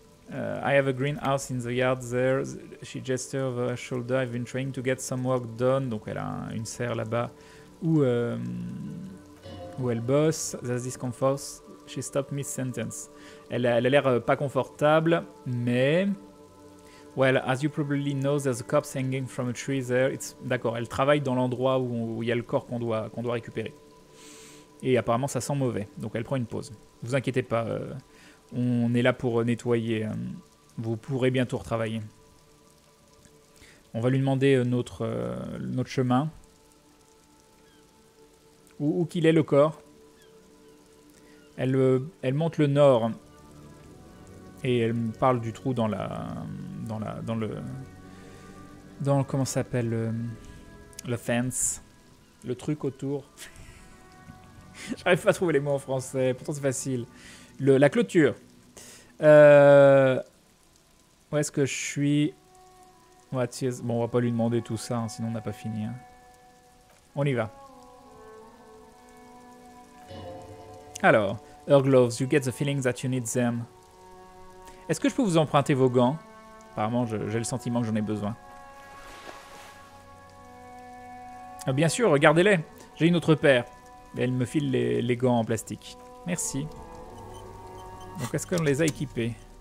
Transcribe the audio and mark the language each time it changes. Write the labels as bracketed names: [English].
[English] I have a greenhouse in the yard there. She gestures over her shoulder. I've been trying to get some work done. [French] Donc, elle a une serre là-bas où elle bosse. [English] There's discomfort. She stopped mid-sentence. [French] Elle a l'air pas confortable, mais... [English] Well, as you probably know, there's a corpse hanging from a tree there. It's... [French] D'accord, elle travaille dans l'endroit où il y a le corps qu'on doit récupérer. Et apparemment, ça sent mauvais. Donc, elle prend une pause. Vous inquiétez pas, on est là pour nettoyer. Vous pourrez bientôt retravailler. On va lui demander notre chemin. Où qu'il est le corps. Elle monte le nord. Et elle me parle du trou dans la... Dans la, dans le, dans le, comment ça s'appelle, le fence, le truc autour. J'arrive pas à trouver les mots en français, pourtant c'est facile. La clôture. Où est-ce que je suis? Bon, on va pas lui demander tout ça, hein, sinon on n'a pas fini. Hein. On y va. [English] Alors, her gloves, you get the feeling that you need them. [French] Est-ce que je peux vous emprunter vos gants? Apparemment, j'ai le sentiment que j'en ai besoin. Bien sûr, regardez-les. J'ai une autre paire. Et elle me file les gants en plastique. Merci. Donc est-ce qu'on les a équipés?